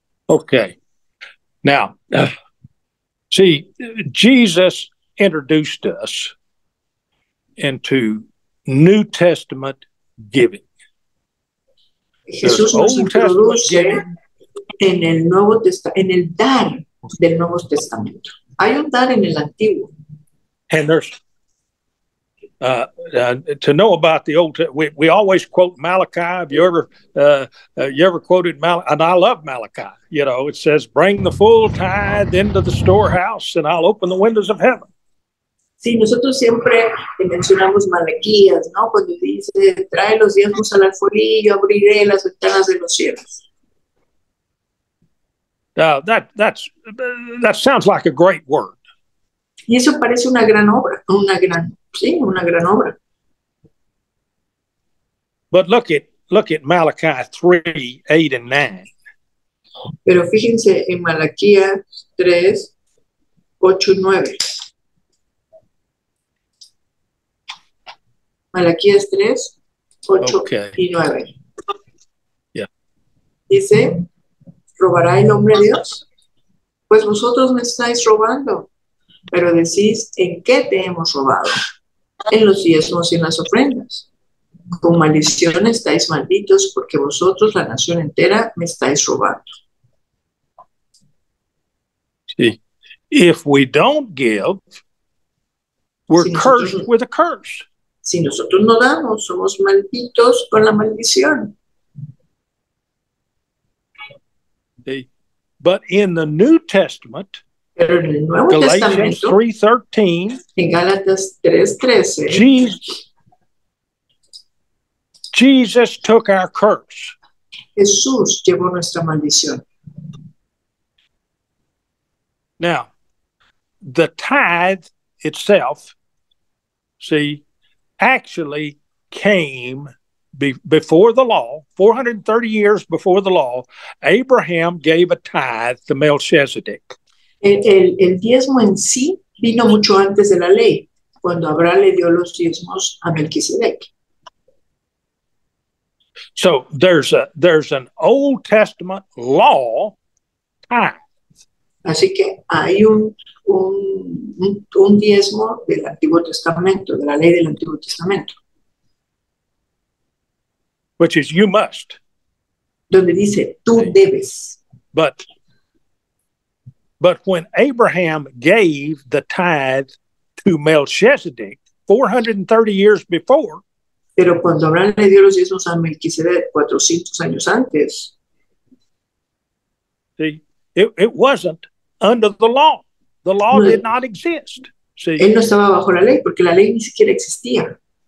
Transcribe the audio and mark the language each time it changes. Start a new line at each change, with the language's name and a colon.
English: Okay. Now, see, Jesus introduced us into New Testament giving.
Spanish: Jesús nos introduce en el Nuevo Testamento, en el dar del Nuevo Testamento. Hay un dar en el Antiguo.
English: And there's to know about the Old Testament, we always quote Malachi. Have you ever quoted Malachi? And I love Malachi. You know, it says, "Bring the full tithe into the storehouse, and I'll open the windows of heaven."
Spanish: Sí, nosotros siempre mencionamos Malaquías, ¿no? Cuando dice, trae los diezmos al alforillo, abriré las ventanas de los cielos.
English: That sounds like a great word.
Spanish: Y eso parece una gran obra, una gran obra.
English: But look at Malachi 3:8-9.
Spanish: Pero fíjense en Malaquías 3:8-9. Malaquías 3:8-9.
English: Okay.
Spanish: Yeah. Dice, ¿robará el hombre a Dios? Pues vosotros me estáis robando, pero decís, ¿en qué te hemos robado? En los diezmos y en las ofrendas. Con maldición estáis malditos, porque vosotros, la nación entera, me estáis robando. Sí.
English: If we don't give, we're cursed with a curse.
Spanish: Si nosotros no damos, somos malditos con la maldición.
English: But in the New Testament,
Spanish: pero en el Nuevo Testamento, 3:13, en Gálatas 3:13,
English: Jesus took our curse.
Spanish: Jesús llevó nuestra maldición.
English: Now, the tithe itself, see, actually came before the law, 430 years before the law, Abraham gave a tithe to Melchizedek.
Spanish: El diezmo en sí vino mucho antes de la ley, cuando Abraham le dio los diezmos a Melchizedek.
English: So there's an Old Testament law
Spanish: Así que hay un diezmo del Antiguo Testamento, de la ley del Antiguo Testamento.
English: Which is you must.
Spanish: Donde dice, tú debes.
English: But when Abraham gave the tithe to Melchizedek 430 years before,
Spanish: pero cuando Abraham le dio los diezmos a Melquisedec 400 años antes,
English: see, it wasn't under the law. The law no, did not exist. See,
Spanish: él no estaba bajo la ley porque la ley ni siquiera existía.